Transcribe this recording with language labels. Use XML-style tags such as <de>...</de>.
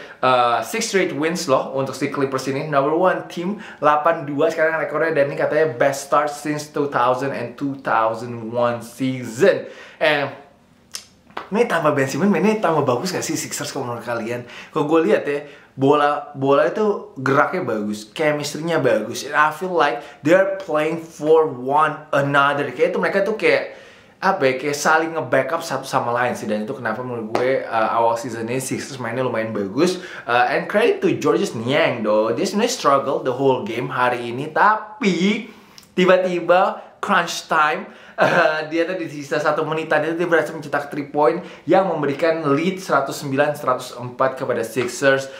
<en>6 straight wins</en> <id>loh untuk si Clippers ini.</id> <en>Number 1 team,</en> <id>8-2 sekarang rekornya. Dan ini katanya</id> <en>best start since 2000 and 2001 season. And</en> <id>ini tambah Ben Simmons, ini tambah bagus gak sih Sixers kalau menurut kalian? Kalau gue lihat ya, bola itu geraknya bagus, chemistry-nya bagus.</id> <en>And I feel like they're playing for one another.</en> <id>Kayak itu mereka tuh kayak apa ya, kayak saling nge-backup satu sama lain sih. Dan itu kenapa menurut gue awal season ini Sixers mainnya lumayan bagus.</id> <en>And credit to Georges Niang though,</en> <id>dia sebenernya</id> <en>struggle the whole game</en> <id>hari ini. Tapi tiba-tiba</id> <en>crunch time,</en> <id>dia tadi di sisa 1 menitan itu dia berhasil mencetak 3 point yang memberikan lead 109-104 kepada Sixers.</id>